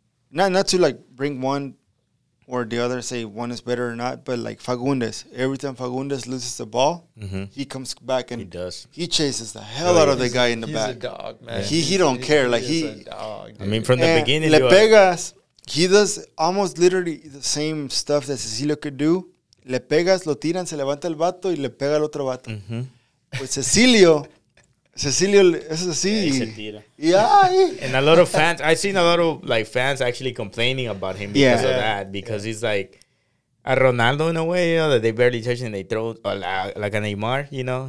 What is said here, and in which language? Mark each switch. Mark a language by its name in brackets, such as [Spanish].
[English] Not to, like, bring one or the other, say one is better or not, but, like, Fagundes, every time Fagundes loses the ball, mm-hmm. he comes back and he does. He chases the hell out of the guy in the back. He's a dog, man. Yeah. He don't care. He's a dog, dude. I mean, from the beginning. [Spanish] Le pegas, [English] he does almost literally the same stuff that Cecilio could do. [Spanish] Le pegas, lo tiran, se levanta el vato y le pega el otro vato. Mm-hmm. With Cecilio... Cecilio es así. [English] And a lot of fans, I've seen a lot of, like, fans actually complaining about him because of that. Because he's like a Ronaldo in a way, you know, that they barely touch and they throw, like a Neymar, you know?